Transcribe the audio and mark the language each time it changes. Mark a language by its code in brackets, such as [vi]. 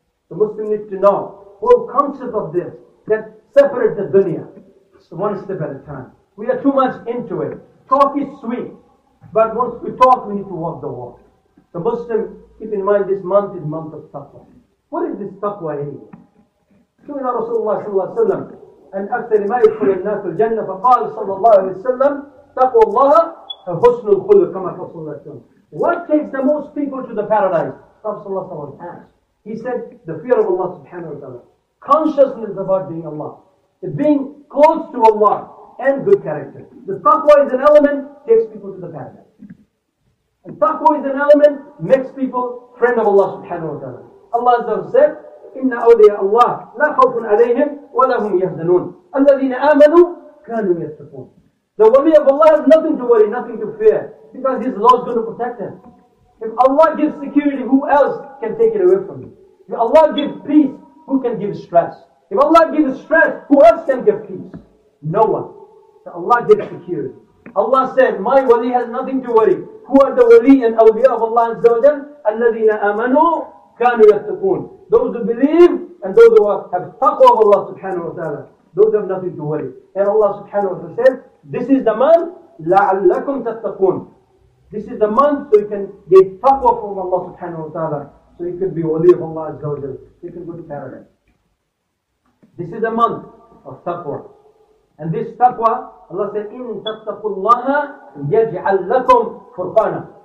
[en] The Muslim needs to know the whole concept of this, that separate the dunya one step at a time. We are too much into it. Talk is sweet, but once we talk, we need to walk the walk. The Muslim, keep in mind, this month is month of taqwa. What is this taqwa anyway? [ar] سئل رسول الله صلى الله عليه وسلم عن أكثر ما يدخل الناس الجنة فقال صلى الله عليه وسلم تقوى الله حسن الخلق كما قال صلى الله عليه وسلم. [en] What takes the most people to the paradise? [ar] قال صلى الله عليه وسلم [en] asked. He said the fear of Allah subhanahu wa ta'ala. Consciousness about being Allah. Being close to Allah and good character. The taqwa is an element takes people to the paradise. And taqwa is an element makes people friend of Allah subhanahu wa ta'ala. [ar] Allah azza wa jalla said إِنَّ أَوْلِيَ اللَّهِ لَا خَوْفٌ عَلَيْهِمْ وَلَا هُمْ يَهْزَنُونَ الَّذِينَ آمَنُوا كَانُوا يَتَّقُونَ. [en] The wali of Allah has nothing to worry, nothing to fear, because his law is going to protect him. If Allah gives security, who else can take it away from him? If Allah gives peace, who can give stress? If Allah gives stress, who else can give peace? No one. So Allah gives security. Allah said, my wali has nothing to worry. Who are the wali and awliya of Allah Azza wa Jalla? [ar] الَّذِينَ آمَنُوا كَانُوا يَتَّقُونَ. [en] Those who believe and those who have taqwa of Allah subhanahu wa ta'ala, those have nothing to worry. And Allah subhanahu wa ta'ala said, this is the month, [ar] لَعَلَّكُمْ تَتَّقُونَ. [en] This is the month so you can get taqwa from Allah subhanahu wa ta'ala, so you can be wali of Allah azza wa jalla. You can go to paradise. This is the month of taqwa. And this taqwa, Allah said, [ar] إِن تَتَّقُوا اللَّهَ يَجْعَلْ لَكُمْ فُرْقَانًا.